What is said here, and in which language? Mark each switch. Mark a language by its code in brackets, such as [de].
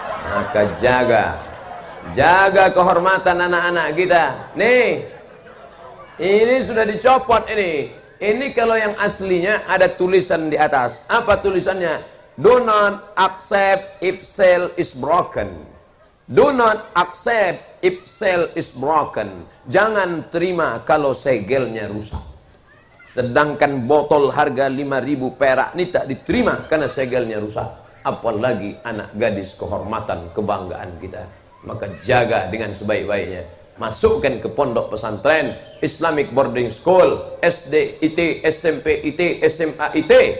[id] Maka jaga, jaga kehormatan anak-anak kita. Nih, ini sudah dicopot ini. Ini kalau yang aslinya ada tulisan di atas. Apa tulisannya? [en] Do not accept if cell is broken. Do not accept if cell is broken. [id] Jangan terima kalau segelnya rusak. Sedangkan botol harga 5.000 perak ini tak diterima karena segelnya rusak. Apalagi anak gadis kehormatan, kebanggaan kita. Maka jaga dengan sebaik-baiknya. Masukkan ke pondok pesantren, Islamic Boarding School, SD IT, SMP IT, SMA IT.